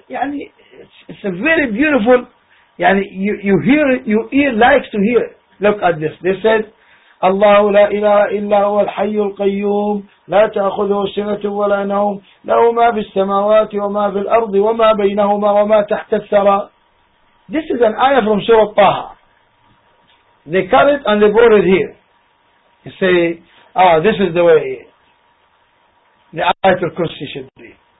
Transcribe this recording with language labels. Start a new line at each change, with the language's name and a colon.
English: Yani it's a very beautiful, yani you hear it, your ear likes to hear it. Look at this. They said
Arabic: الله لا إله إلا هو الحي القيوم لا تأخذه سنة ولا نوم له ما في السماوات وما في الأرض وما بينهما وما تحت الثرى.
English: This is an ayah from Surah Taha. They cut it and they brought it here. You say, ah, this is the way the ayah of Kursi should be.